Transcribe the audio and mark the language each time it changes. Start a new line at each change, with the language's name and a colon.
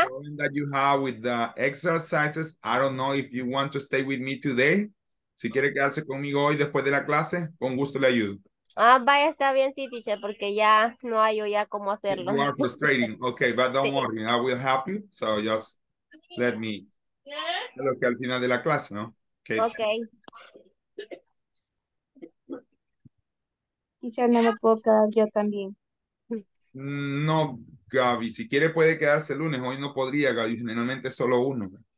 English: The problem that you have with the exercises, I don't know if you want to stay with me today.
Spanish: Si quiere quedarse conmigo hoy después de la clase, con gusto le ayudo. Ah, vaya, está bien, sí, dice, porque ya no hay ya cómo hacerlo.
English: You are frustrating. Okay, but don't worry. I will help you. So just let me.
Spanish: Lo que al final de la clase, ¿no?
English: Okay. Okay.
Spanish: Y ya no me puedo quedar yo también. No, Gaby, si quiere puede quedarse el lunes. Hoy no podría, Gaby, generalmente solo uno.